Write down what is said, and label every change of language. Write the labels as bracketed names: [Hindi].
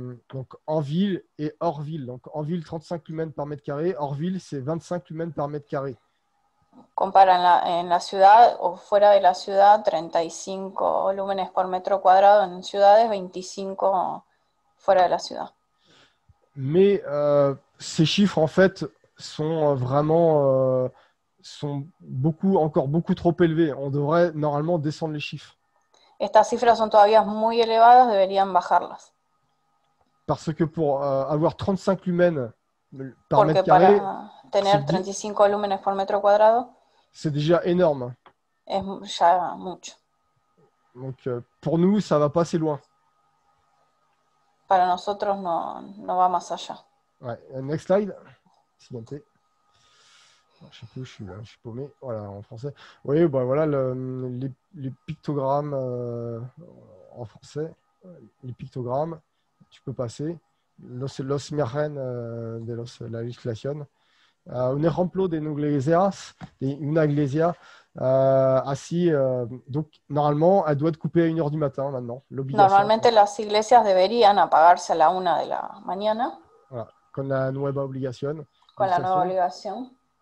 [French] Donc en ville et hors ville. Donc en ville, 35 lumens par mètre carré. Hors ville, c'est 25 lumens par mètre carré. [Spanish] compara en la ciudad o fuera de la ciudad, 35 lúmenes por metro cuadrado en ciudades, 25 fuera de la ciudad. [French] Mais ces chiffres, en fait, sont vraiment sont beaucoup encore beaucoup trop élevés. On devrait normalement descendre les chiffres. [Spanish] Estas cifras son todavía muy elevadas, deberían bajarlas. [French] Parce que pour avoir 35 lumens par mètre carré, [Spanish] para tener 35 lúmenes por metro cuadrado [French] c'est déjà énorme. [Spanish] es ya mucho. [French] Donc pour nous, ça va pas assez loin. [Spanish] Para nosotros no va más allá. [English] Ouais, next slide. [Spanish] Siguiente. [French] Je sais plus, je suis paumé. Voilà, en français. Oui, bah voilà les pictogrammes en français. Les pictogrammes, tu peux passer. [Spanish] Los imágenes de la legislación. Un ejemplo de una iglesia. Una iglesia así. [French] Donc, normalement, elle doit être coupée à 1 heure du matin maintenant. L'obligation. [Spanish] Normalmente las iglesias deberían apagarse a la 1 de la mañana Voilà, con la nueva obligación. con la nueva obligación.